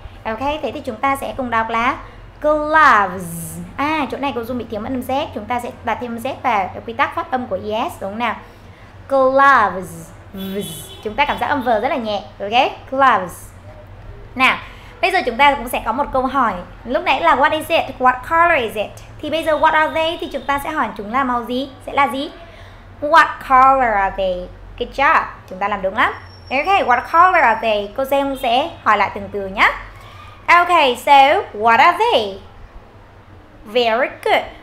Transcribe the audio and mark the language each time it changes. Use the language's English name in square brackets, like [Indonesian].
[Vietnamese] Ok, thế thì chúng ta sẽ cùng đọc là gloves. À, chỗ này có dùng bị thiếu âm Z, chúng ta sẽ đặt thêm Z vào quy tắc phát âm của ES, đúng không nào? Gloves. Chúng ta cảm giác âm V rất là nhẹ. Ok, gloves. Nào, bây giờ chúng ta cũng sẽ có một câu hỏi. Lúc nãy là [English] what is it, what color is it? [Vietnamese] Thì bây giờ [English] what are they [Vietnamese] thì chúng ta sẽ hỏi chúng là màu gì, sẽ là gì? [English] What color are they? Good job, [Vietnamese] chúng ta làm đúng lắm. Ok, [English] what color are they? [Vietnamese] Cô Giang sẽ hỏi lại từng từ nhá. [English] Ok, so what are they? Very good.